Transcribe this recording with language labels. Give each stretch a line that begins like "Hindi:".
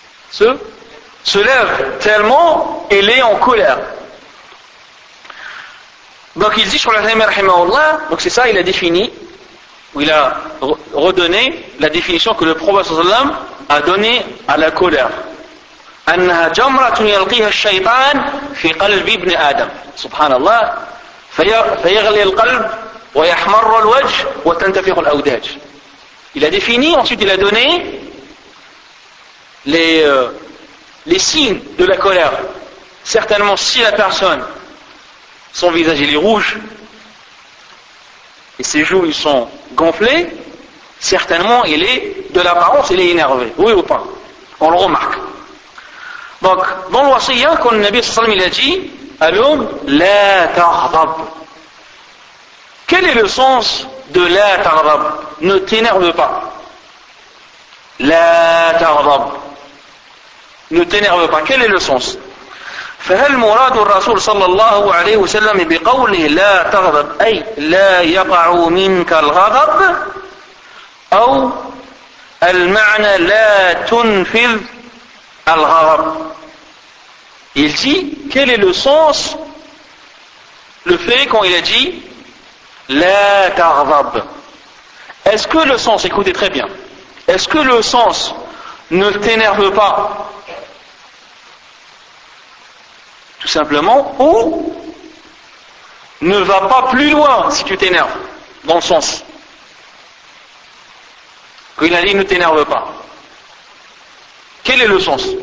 French: Se lève tellement elle est en colère. Donc il dit sur la Rahim Rahimahullah, donc c'est ça, il a défini. Il a redonné la définition que le prophète sallam a donnée à la colère.
Arabic: أنها جمرة يلقيها الشيطان في قلب ابن آدم.
French: Subhanallah.
Arabic: فيغلي القلب ويحمر الوجه وتنتفخ الأوداج.
French: Il a défini, ensuite il a donné les signes de la colère. Certainement, si la personne, son visage il est rouge, et ses joues ils sont gonflés, certainement il est de l'apparence, il est énervé. Oui ou pas? On le remarque. Donc, dans le wasiyya, quand le Nabi sallallahu alayhi wa sallam il a dit à l'homme, la taghdab. Quel est le sens de la taghdab? Ne t'énerve pas. La taghdab. Ne t'énerve pas. Quel est le sens?
Arabic: فهل مراد الرسول صلى الله عليه وسلم بقوله لا تغضب أي لا يقع منك الغضب أو المعنى لا تنفذ الغضب.
French: Il dit quel est le sens, le fait quand il a dit
Arabic: لا تغضب.
French: Est-ce que le sens, écoutez très bien, est-ce que le sens ne t'énerve pas tout simplement, ou ne va pas plus loin si tu t'énerves, dans le sens qu'il a dit ne t'énerve pas. Quel est le sens?